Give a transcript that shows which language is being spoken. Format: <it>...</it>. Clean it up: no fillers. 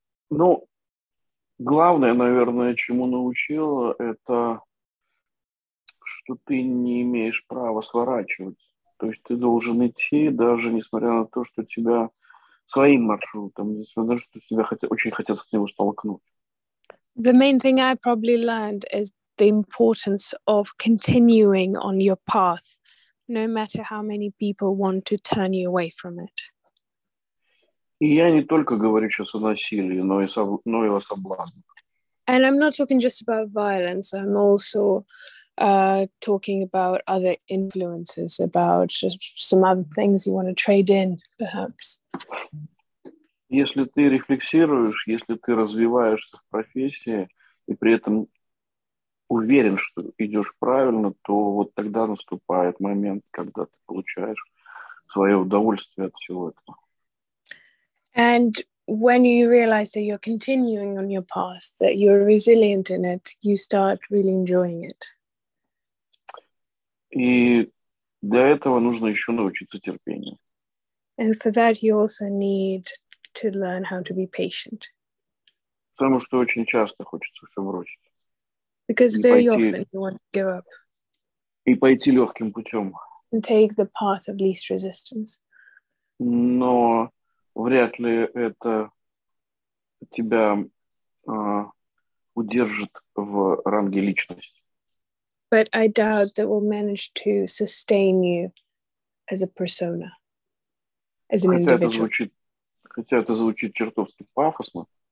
<ru>Ну, главное, наверное, чему научил, это что ты не имеешь права сворачивать. То есть ты должен идти, даже несмотря на то, что тебя своим маршрутом, несмотря на то, что тебя очень хотят с него столкнуть.</ru> <en>The main thing I probably learned is the importance of continuing on your path, no matter how many people want to turn you away from it.</en> <ru>И я не только говорю сейчас о насилии, но и о соблазне.</ru> <en>And I'm not talking just about violence, I'm also talking about other influences, about just some other things you want to trade in, perhaps.</en> <ru>Если ты рефлексируешь, если ты развиваешься в профессии и при этом уверен, что идешь правильно, то вот тогда наступает момент, когда ты получаешь свое удовольствие от всего этого.</ru> <en>And when you realize that you're continuing on your path, that you're resilient in it, you start really enjoying it.</en> <ru>И для этого нужно еще научиться терпению.</ru> <en>And for that you also need to learn how to be patient.</en> <ru>Потому что очень часто хочется все бросить.</ru> <en>Because very often you want to give up.</en> <ru>И пойти легким путем.</ru> <en>And take the path of least resistance.</en> <ru>Но вряд ли это тебя удержит в ранге личности.</ru> <en>But I doubt that will manage to sustain you as a persona, as an individual.</en> <ru>Хотя это звучит чертовски пафосно.</ru>